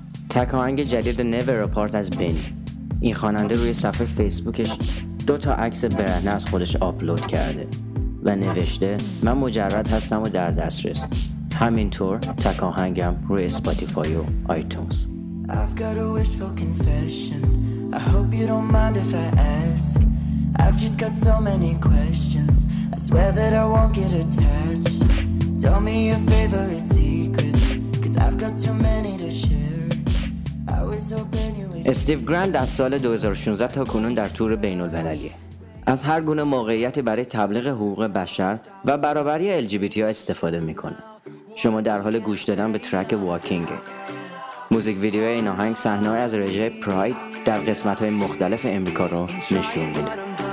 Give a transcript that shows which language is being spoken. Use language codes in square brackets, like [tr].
[fa] تک آهنگ جدید Never Apart از بین. این خواننده روی صفحه فیسبوکش 2 عکس برهنه از خودش آپلود کرده و نوشته من مجرد هستم و در دسترس. همینطور تک آهنگم روی اسپاتیفای و آیتونز. [en] I've got a wishful confession. I hope you don't mind if I ask. I've just got so many questions. I swear that I won't get attached. Tell me your favorite secrets. Cause I've got too many to share. [fa] استیو گراند از سال 2016 تا کنون در تور بین المللیه. از هر گونه موقعیتی برای تبلیغ حقوق بشر و برابری LGBT ها استفاده میکنه. شما در حال گوش دادن به ترک واکینگ. موزیک ویدیوی این آهنگ صحنه های از رژه پراید در قسمت های مختلف امریکا رو نشون میده.